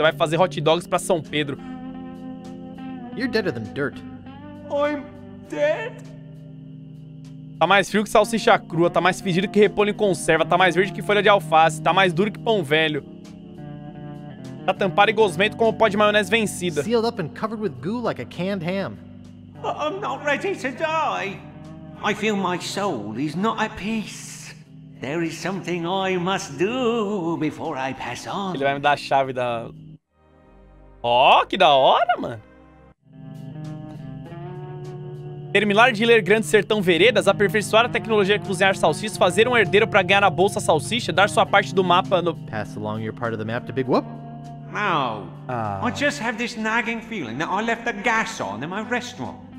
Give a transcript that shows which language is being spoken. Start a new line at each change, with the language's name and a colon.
Portuguese: Você vai fazer hot dogs pra São Pedro.
English: You're deader than dirt. I'm dead?
Portuguese: Tá mais frio que salsicha crua, tá mais fedido que repolho em conserva, tá mais verde que folha de alface, tá mais duro que pão velho. Tá tampado e gosmento como pó de maionese vencida.
English: Sealed up and covered with goo like a canned ham. I'm not ready to die. I feel my soul is not at peace. There is something I must do before I pass on.
Portuguese: Ele vai me dar a chave da... Oh, que da hora, mano. Terminar de ler Grande Sertão Veredas, aperfeiçoar a tecnologia de cozinhar salsichas, fazer um herdeiro pra ganhar a bolsa salsicha, dar sua parte do mapa no...
English: Pass along your part of the map to Big Whoop? No. I just have this nagging feeling that I left the gas on in my restaurant.